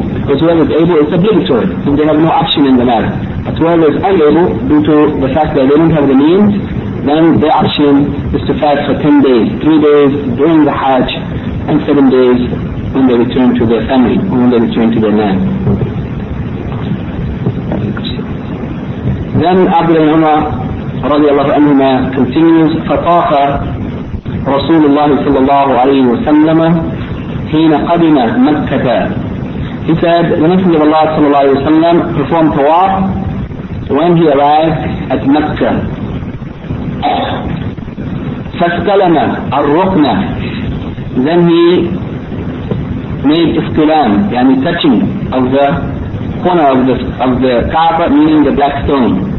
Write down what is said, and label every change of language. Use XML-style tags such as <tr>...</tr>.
<en>Because whoever is able, it's obligatory, and they have no option in the matter. But whoever is unable, due to the fact that they don't have the means, then their option is to fast for 10 days, 3 days during the Hajj, and 7 days when they return to their family, or when they return to their land. Then Abdul Umrah</en> <ar>رضي الله عنهما</ar> <en>continues,</en> <ar>فطاف رسول الله صلى الله عليه وسلم حين قدم مكة.</ar> <en>He said, the Messenger of Allah</en> <ar>صلى الله عليه وسلم</ar> <en>performed tawaf when he arrived at مكة.</en> <ar>فاستلم الركن.</ar> <en>Then he made استلام, يعني touching of the corner of the Kaaba, meaning the black stone.</en>